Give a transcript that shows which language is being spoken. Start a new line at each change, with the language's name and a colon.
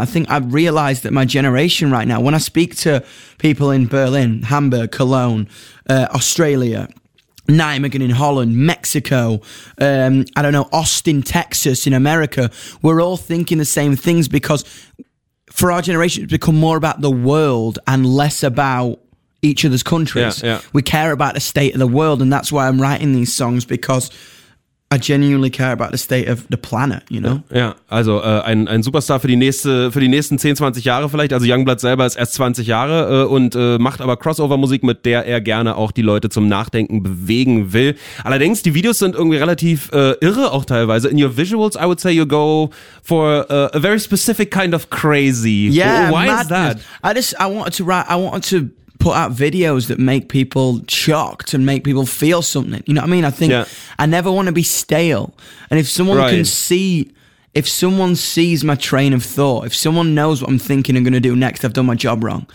English: I think I've realized that my generation right now, when I speak to people in Berlin, Hamburg, Cologne, Australia, Nijmegen in Holland, Mexico, I don't know, Austin, Texas in America, we're all thinking the same things, because for our generation, it's become more about the world and less about each other's countries. Yeah, yeah. We care about the state of the world, and that's why I'm writing these songs, because I genuinely care about the state of the planet, you know?
German: Ja, also ein Superstar für die nächsten 10, 20 Jahre vielleicht. Also Youngblood selber ist erst 20 Jahre und macht aber Crossover-Musik, mit der er gerne auch die Leute zum Nachdenken bewegen will. Allerdings, die Videos sind irgendwie relativ irre auch teilweise.
English: In your visuals, I would say you go for a very specific kind of crazy. Yeah, why is that? I wanted to put out videos that make people shocked and make people feel something. You know what I mean? I think I never want to be stale. And if someone can see, if someone sees my train of thought, if someone knows what I'm thinking and going to do next, I've done my job wrong.